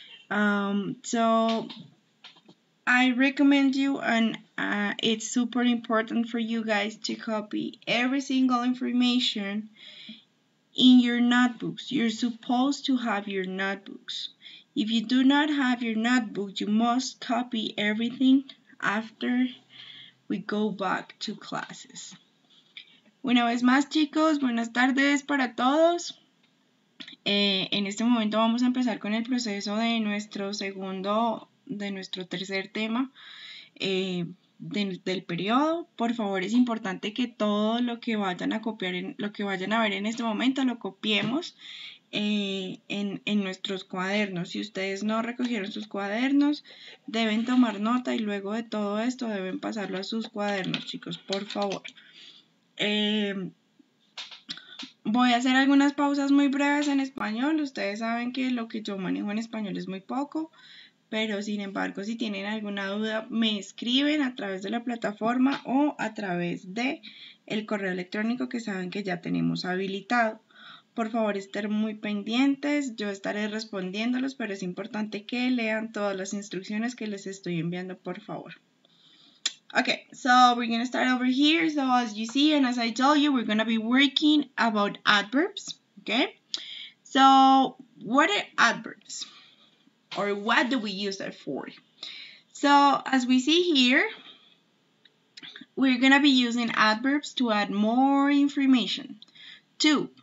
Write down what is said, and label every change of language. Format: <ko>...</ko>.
<en>So I recommend you, and it's super important for you guys to copy every single information in your notebooks. You're supposed to have your notebooks. If you do not have your notebook, you must copy everything after we go back to classes.</en> <es>Una vez más, chicos, buenas tardes para todos. En este momento vamos a empezar con el proceso de nuestro segundo, de nuestro tercer tema del periodo. Por favor, es importante que todo lo que vayan a copiar, lo que vayan a ver en este momento, lo copiemos. En nuestros cuadernos. Si ustedes no recogieron sus cuadernos, deben tomar nota y luego de todo esto deben pasarlo a sus cuadernos, chicos, por favor. Voy a hacer algunas pausas muy breves en español. Ustedes saben que lo que yo manejo en español es muy poco, pero sin embargo, si tienen alguna duda, me escriben a través de la plataforma o a través de el correo electrónico que saben que ya tenemos habilitado. Por favor, estén muy pendientes. Yo estaré respondiéndolos, pero es importante que lean todas las instrucciones que les estoy enviando, por favor.</es> <en>Okay, so we're going to start over here. So as you see, and as I told you, we're going to be working about adverbs. Okay, so what are adverbs? Or what do we use it for? So as we see here, we're going to be using adverbs to add more information. Two.</en>